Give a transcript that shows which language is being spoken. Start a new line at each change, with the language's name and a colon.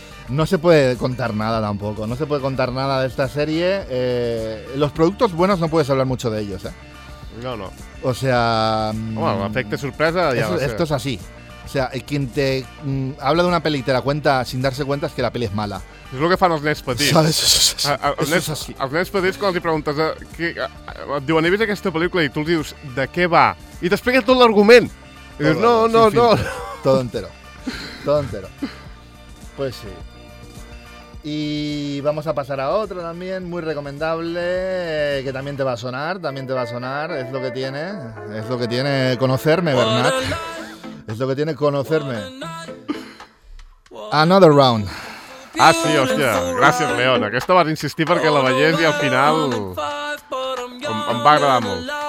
Spanish: No se puede contar nada tampoco, no se puede contar nada de esta serie. Los productos buenos no puedes hablar mucho de ellos, ¿eh? No. O sea... Bueno, afecte sorpresa, ya esto, no sé. Esto es así. O sea, quien te habla de una peli y te la cuenta sin darse cuenta es que la peli es mala.
Catalan: És el que fan els nens petits.
Spanish: ¿Sabes? Eso es así.
Catalan: Els nens petits, quan els preguntes... et diuen, he vist aquesta pel·lícula i tu els dius, de què va? I t'explica tot l'argument. No.
Spanish: Todo entero. Pues sí. Y vamos a pasar a otro también, muy recomendable, que también te va a sonar. Es lo que tiene conocerme, Bernat. Es lo que tiene conocerme. Another Round.
Catalan: Ah, sí, hòstia. Gràcies, León. Aquesta vas insistir perquè la veiés i al final em va agradar molt.